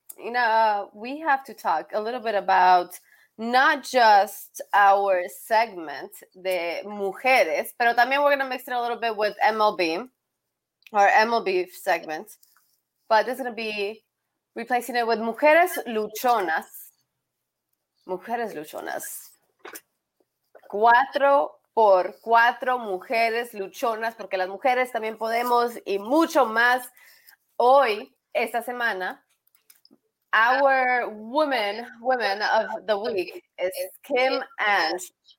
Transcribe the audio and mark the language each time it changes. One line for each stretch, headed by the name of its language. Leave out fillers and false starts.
English: You know, we have to talk a little bit about not just our segment, the mujeres,
Spanish: pero también
English: we're going to mix it a little bit with MLB, our MLB segment. But this is going to be replacing it with Mujeres Luchonas.
Spanish: Mujeres Luchonas. 4x4 Mujeres Luchonas, porque las mujeres también podemos y mucho más. Hoy, esta semana,
English: our women of the week is Kim Ange.